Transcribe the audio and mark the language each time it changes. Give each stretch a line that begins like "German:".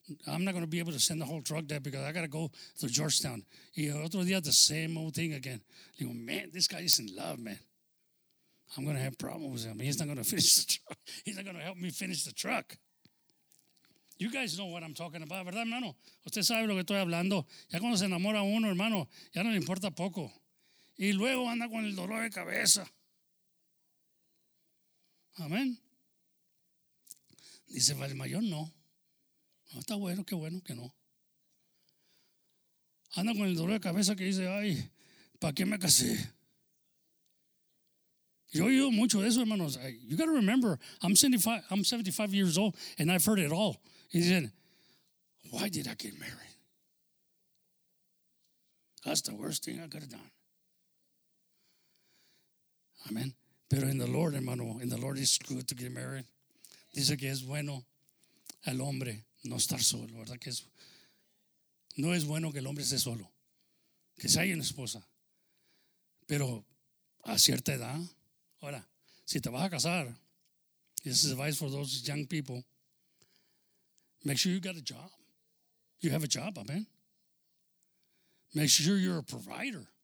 English: I'm not going to be able to send the whole truck there because I got to go to Georgetown.
Spanish: Y otro día,
English: the same old thing again.
Spanish: Digo,
English: man, this guy is in love, man. I'm going to have problems with him. He's not going to finish the truck. He's not going to help me finish the truck. You guys know what I'm talking about,
Spanish: ¿verdad, hermano? Usted sabe lo que estoy hablando. Ya cuando se enamora uno, hermano, ya no le importa poco. Y luego anda con el dolor de cabeza. Amén. Dice Valle Mayor, no. No está bueno, qué bueno que no. Anda con el dolor de cabeza que dice, ay, ¿para qué me casé? Yo he oído mucho de eso, hermanos.
English: You got to remember, I'm 75 years old and I've heard it all. He said, why did I get married? That's the worst thing I could have done. Amen.
Spanish: Pero
English: in the Lord, hermano, in the Lord it's good to get married.
Spanish: Dice que es bueno el hombre no estar solo, ¿verdad? Que es, no es bueno que el hombre esté solo. Que sea una esposa. Pero a cierta edad. Ahora, si te vas a casar,
English: this is advice for those young people. Make sure you got a job. You have a job, amen. Make sure you're a provider.